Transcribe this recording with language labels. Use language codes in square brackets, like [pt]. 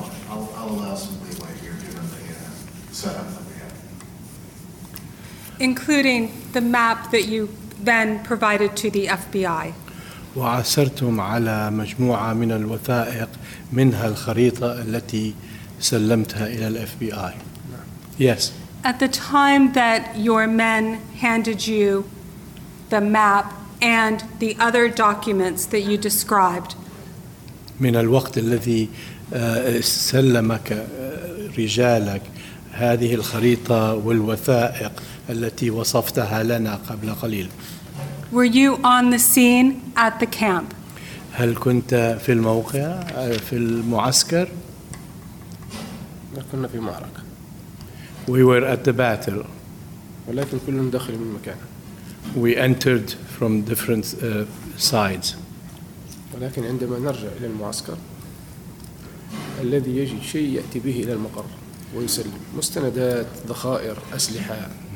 [en] I'll allow some leeway here given the setup. Including the map that you then provided to the FBI. [ar] وعثرتم على مجموعة من الوثائق منها الخريطة التي سلمتها إلى الـ FBI. [en] Yes. At the time that your men handed you the map and the other documents that you described. [ar] من الوقت الذي سلمك رجالك هذه الخريطة والوثائق التي وصفتها لنا قبل قليل. [en] Were you on the scene at the camp? [ar] هل كنت في الموقع في المعسكر؟ كنا في معركة. [en] We were at the battle. [ar] ولكن كلنا داخل من مكان. [en] We entered from different sides. [ar] ولكن عندما نرجع إلى المعسكر الذي يجي شيء يأتي به إلى المقر ويسلم مستندات ذخائر أسلحة